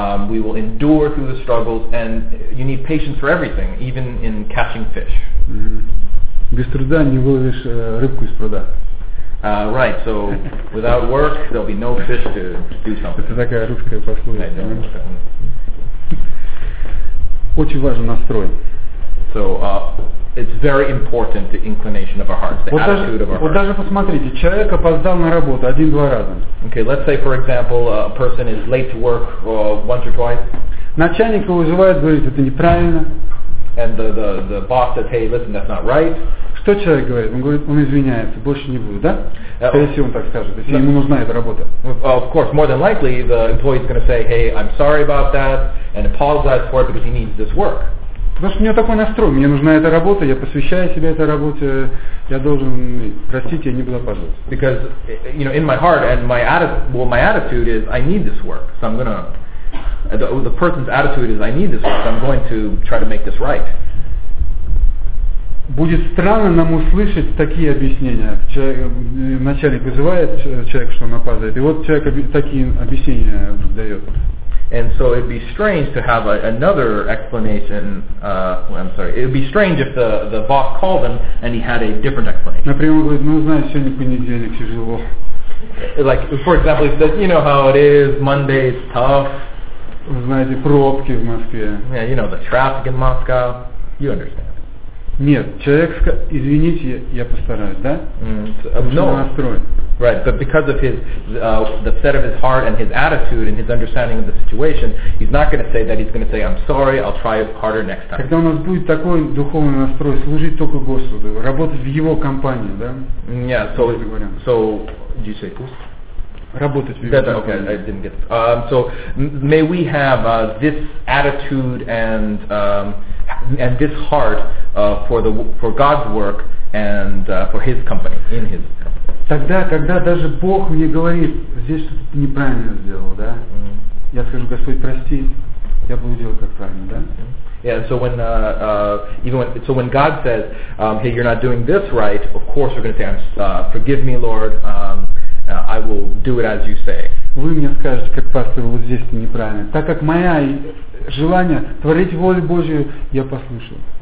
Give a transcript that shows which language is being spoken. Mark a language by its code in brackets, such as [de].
[en] We will endure through the struggles, and you need patience for everything, even in catching fish. Mm-hmm. [ru] Без труда не выловишь рыбку из пруда. [en] Right. So without work, there'll be no fish to do something. [ru] Это такая русская пословица. Очень важен настрой. [en] So It's very important, the inclination of our hearts, the attitude of our hearts. [ru] Вот даже посмотрите, человек опоздал на работу один-два раза. [en] Okay, let's say, for example, a person is late to work once or twice. [ru] Начальник его вызывает, говорит, это неправильно. [en] And the boss says, hey, listen, that's not right. [ru] Что человек говорит? Он говорит, он извиняется, больше не буду, да? Если он так скажет, если ему нужна эта работа. [en] Of course, more than likely, the employee is going to say, hey, I'm sorry about that, and apologize for it because he needs this work. [ru] Потому что у него такой настрой, мне нужна эта работа, я посвящаю себя этой работе, я должен, простите, я не буду опаздывать. [en] Because, you know, in my heart and my attitude, well, my attitude is, I need this work, so I'm going to, the person's attitude is, I need this work, so I'm going to try to make this right. [ru] Будет странно нам услышать такие объяснения. Человек, начальник вызывает человека, что он опаздывает, и вот человек такие объяснения дает. [en] And so it'd be strange to have another explanation. I'm sorry. It'd be strange if the boss called him and he had a different explanation. [ru] Например, говорит, ну знаешь, сегодня понедельник, тяжело. [en] Like, for example, he says, you know how it is, Monday is tough. [ru] Знаете, пробки в Москве. [en] Yeah, you know the traffic in Moscow. You understand. [ru] Нет, человек скажет, извините, я постараюсь, да? [en] No. [ru] Настроен. [en] Right, but because of his the set of his heart and his attitude and his understanding of the situation, he's not going to say that. He's going to say, "I'm sorry. I'll try harder next time." [ru] Когда у нас будет такой духовный настрой, служить только Господу, работать в Его компании, да? [en] Yeah. So, did you say [ru] пусть? Работать в Его компании. [en] Okay, I didn't get it. So may we have this attitude and this heart for God's work and for His company in His. [ru] Тогда, когда даже Бог мне говорит, здесь что-то неправильно сделал, да? Mm-hmm. Я скажу, Господь, прости, я буду делать как правильно, да? [en] Yeah, so when when God says, hey, you're not doing this right, of course we're going to say, forgive me, Lord, I will do it as you say. [ru] Вы мне скажете, как пастор, вот здесь ты неправильно. Так как моя желание творить волю Божию, я послушаю.